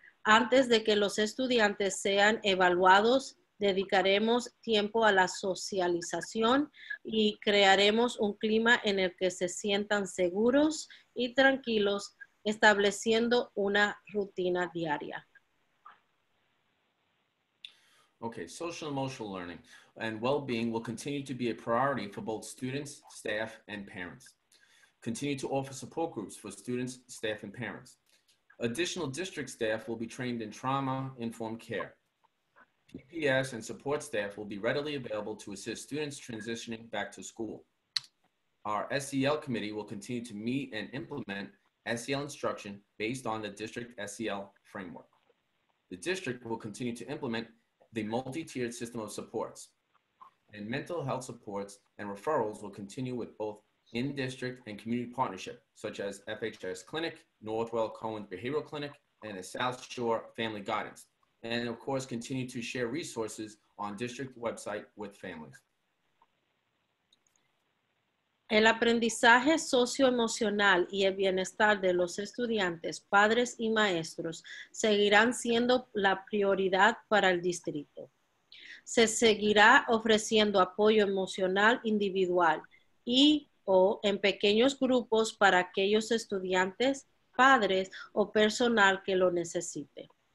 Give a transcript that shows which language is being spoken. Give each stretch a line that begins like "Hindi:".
Spanish: Antes de que los estudiantes sean evaluados, dedicaremos tiempo a la socialización y crearemos un clima en el que se sientan seguros y tranquilos, estableciendo una rutina diaria.
English: Okay, social-emotional learning and well-being will continue to be a priority for both students, staff, and parents. Continue to offer support groups for students, staff, and parents. Additional district staff will be trained in trauma-informed care. PPS and support staff will be readily available to assist students transitioning back to school. Our SEL committee will continue to meet and implement SEL instruction based on the district SEL framework. The district will continue to implement the multi-tiered system of supports. And mental health supports and referrals will continue with both in-district and community partnership, such as FHS Clinic, Northwell Cohen Behavioral Clinic, and the South Shore Family Guidance. And of course, continue to share resources on district website with families.
Spanish: El aprendizaje socioemocional y el bienestar de los estudiantes, padres y maestros seguirán siendo la prioridad para el distrito. Se seguirá ofreciendo apoyo emocional individual y o en pequeños grupos para aquellos estudiantes, padres o personal que lo necesite.